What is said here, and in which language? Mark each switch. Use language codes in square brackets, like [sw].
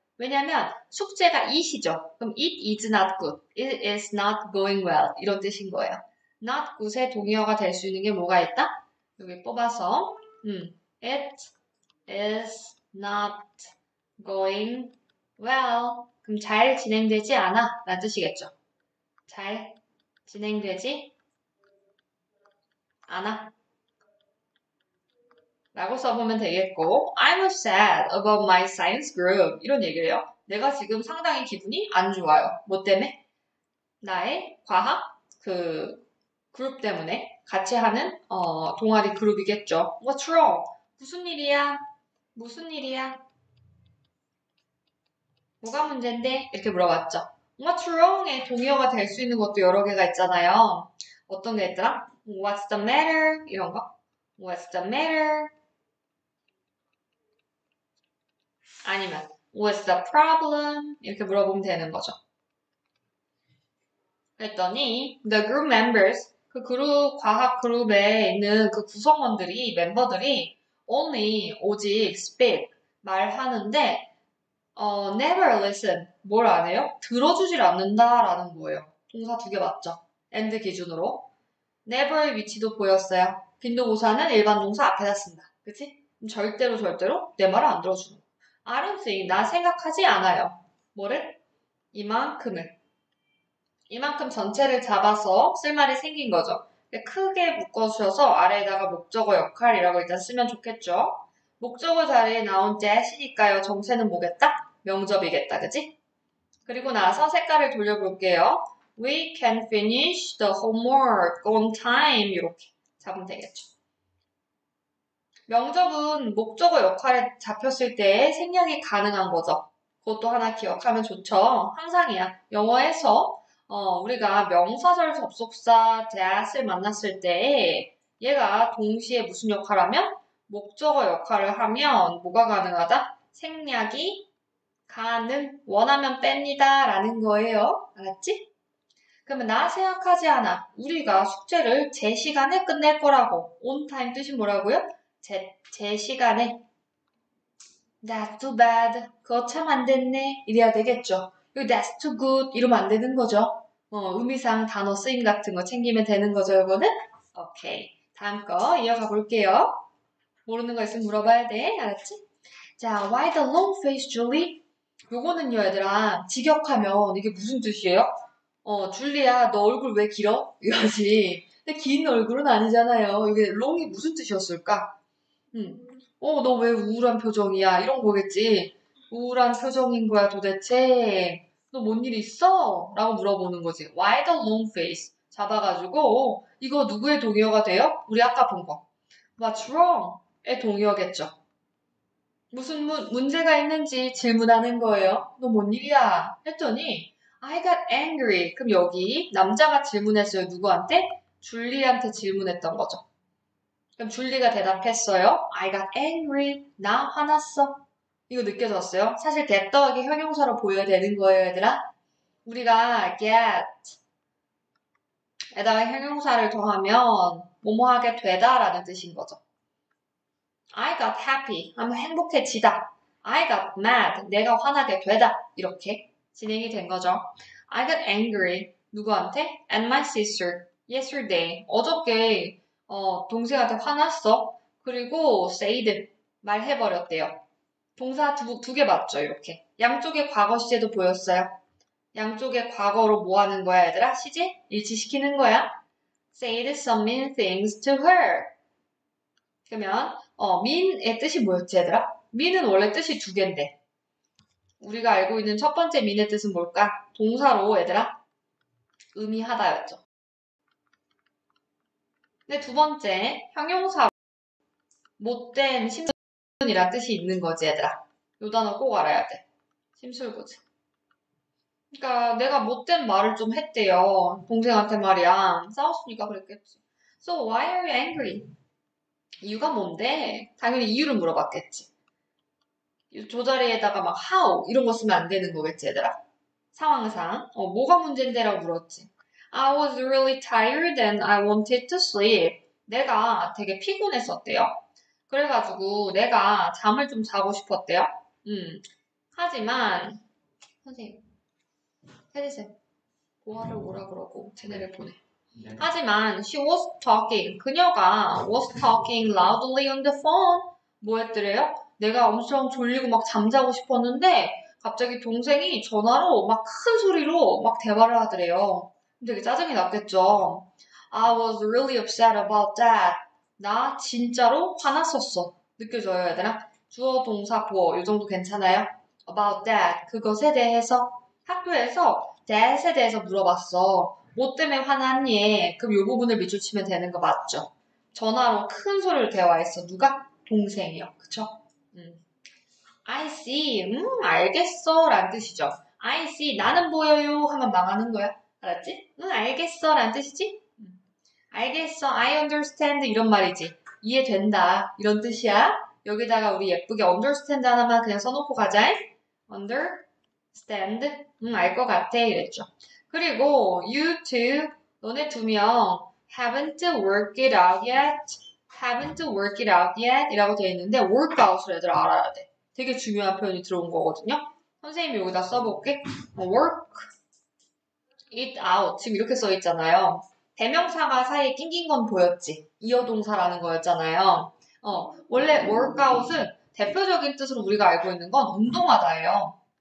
[ko] 왜냐면 숙제가 it이죠. 그럼 [en] it is not good, it is not going well [ko] 이런 뜻인 거예요. not good의 동의어가 될수 있는 게 뭐가 있다? 여기 뽑아서 [en] it is not going well. [ko] 그럼 잘 진행되지 않아 라는 뜻이겠죠. 잘 진행되지 않아 라고 써보면 되겠고, [en] I'm sad about my science group. [ko] 이런 얘기예요. 내가 지금 상당히 기분이 안 좋아요. 뭐 때문에? 나의 과학 그 그룹 때문에 같이 하는 동아리 그룹이겠죠. [en] What's wrong? [ko] 무슨 일이야? 무슨 일이야? 뭐가 문제인데? 이렇게 물어봤죠. [en] What's wrong? [ko] 의 동의어가 될수 있는 것도 여러 개가 있잖아요. 어떤 게 있더라? [en] What's the matter? [ko] 이런 거. [en] What's the matter? [ko] 아니면 [en] What's the problem? [ko] 이렇게 물어보면 되는 거죠. 그랬더니 [en] The group members [ko] 그 그룹 과학 그룹에 있는 그 구성원들이 멤버들이 only 오직 speak 말하는데 [en] never listen [ko] 뭘안 해요? 들어주질 않는다라는 거예요. 동사 두개 맞죠? and 기준으로 never의 위치도 보였어요. 빈도부사는 일반 동사 앞에다 쓴다. 그치? 절대로 절대로 내 말을 안 들어주는 거예요. [en] I don't think, [ko] 나 생각하지 않아요. 뭐를? 이만큼을. 이만큼 전체를 잡아서 쓸 말이 생긴 거죠. 크게 묶어주셔서 아래에다가 목적어 역할이라고 일단 쓰면 좋겠죠. 목적어 자리에 나온 대시니까요. 정체는 뭐겠다? 명접이겠다. 그치? 그리고 나서 색깔을 돌려볼게요. [en] We can finish the homework on time. [ko] 이렇게 잡으면 되겠죠. 명접은 목적어 역할에 잡혔을 때 생략이 가능한 거죠. 그것도 하나 기억하면 좋죠. 항상이야. 영어에서 우리가 명사절 접속사 that을 만났을 때 얘가 동시에 무슨 역할하면 목적어 역할을 하면 뭐가 가능하다? 생략이 가능. 원하면 뺍니다라는 거예요. 알았지? 그러면 나 생각하지 않아. 우리가 숙제를 제 시간에 끝낼 거라고. 온타임 뜻이 뭐라고요? 제 시간에 [en] That's too bad. [ko] 그거 참안 됐네. 이래야 되겠죠. 이거 [en] That's too good. [ko] 이러면 안 되는 거죠. 의미상 단어 쓰임 같은 거 챙기면 되는 거죠, 이거는? 오케이. 다음 거 이어가 볼게요. 모르는 거 있으면 물어봐야 돼. 알았지? 자, [en] Why the long face, [ko] Julie? 요거는요, 얘들아. 직역하면 이게 무슨 뜻이에요? 줄리아, 너 얼굴 왜 길어? 이거지. 근데 긴 얼굴은 아니잖아요. 이게 long이 무슨 뜻이었을까? 너왜 우울한 표정이야? 이런 거겠지. 우울한 표정인 거야, 도대체. 너뭔일 있어? 라고 물어보는 거지. [en] Why the long face? [ko] 잡아가지고, 이거 누구의 동의어가 돼요? 우리 아까 본 거. [en] What's wrong? [ko] 의 동의어겠죠. 무슨 문제가 있는지 질문하는 거예요. 너뭔 일이야? 했더니, [en] I got angry. [ko] 그럼 여기 남자가 질문했어요. 누구한테? 줄리한테 질문했던 거죠. 그럼 줄리가 대답했어요. [en] I got angry. [ko] 나 화났어. 이거 느껴졌어요? 사실 get 더하기 형용사로 보여야 되는 거예요, 얘들아. 우리가 get에다가 형용사를 더하면 뭐뭐하게 되다라는 뜻인 거죠. [en] I got happy. [ko] 하면 행복해지다. [en] I got mad. [ko] 내가 화나게 되다. 이렇게 진행이 된 거죠. [en] I got angry. [ko] 누구한테? [en] And my sister. Yesterday. [ko] 어저께 동생한테 화났어. 그리고 said. 말해버렸대요. 동사 두개 맞죠, 이렇게. 양쪽의 과거 시제도 보였어요. 양쪽의 과거로 뭐 하는 거야, 얘들아? 시제? 일치시키는 거야. [en] Said some mean things to her. [ko] 그러면 mean의 뜻이 뭐였지, 얘들아? mean은 원래 뜻이 두 갠데. 우리가 알고 있는 첫 번째 mean의 뜻은 뭘까? 동사로, 얘들아? 의미하다였죠. 근데 두 번째, 형용사로 못된 심술이라는 뜻이 있는 거지, 얘들아. 요 단어 꼭 알아야 돼. 심술고지. 그러니까 내가 못된 말을 좀 했대요. 동생한테 말이야. 싸웠으니까 그랬겠지. [en] So why are you angry? [ko] 이유가 뭔데? 당연히 이유를 물어봤겠지. 이 조자리에다가 막 how 이런 거 쓰면 안 되는 거겠지, 얘들아. 상황상 뭐가 문제인데라고 물었지. [en] I was really tired and I wanted to sleep. [ko] 내가 되게 피곤했었대요. 그래가지고 내가 잠을 좀 자고 싶었대요. 하지만 선생님, 혜지쌤, 보아를 오라 그러고 쟤네를 보내. 네. 하지만 [en] she was talking. [ko] 그녀가 [en] was talking loudly on the phone. [ko] 뭐였더래요? 내가 엄청 졸리고 막 잠자고 싶었는데 갑자기 동생이 전화로 막큰 소리로 막 대화를 하더래요. 되게 짜증이 났겠죠. [en] I was really upset about that. [ko] 나 진짜로 화났었어. 느껴져요, 얘들아? 주어, 동사, 보어. 이 정도 괜찮아요? [en] About that. [ko] 그것에 대해서. 학교에서 that에 대해서 물어봤어. 뭐 때문에 화났니? 그럼 요 부분을 밑줄 치면 되는 거 맞죠? 전화로 큰 소리를 대화했어. 누가? 동생이요. 그쵸? [en] I see. [ko] 알겠어. 라는 뜻이죠. I see. 나는 보여요. 하면 망하는 거야. 알았지? 알겠어. 라는 뜻이지? 알겠어. [en] I understand. [ko] 이런 말이지. 이해된다. 이런 뜻이야. 여기다가 우리 예쁘게 understand 하나만 그냥 써놓고 가자. [en] Understand? [ko] 알것 같아. 이랬죠. 그리고 [en] you two, [ko] 너네 두명 [en] haven't worked it out yet. Haven't worked it out yet. [ko] 이라고 되어 있는데 work out을 애들 알아야 돼. 되게 중요한 표현이 들어온 거거든요. 선생님이 여기다 써볼게. [en] Work it out. [ko] 지금 이렇게 써 있잖아요. 대명사가 사이에 낑긴 건 보였지. 이어동사라는 거였잖아요. 원래 workout은 대표적인 뜻으로 우리가 알고 있는 건 운동하다예요.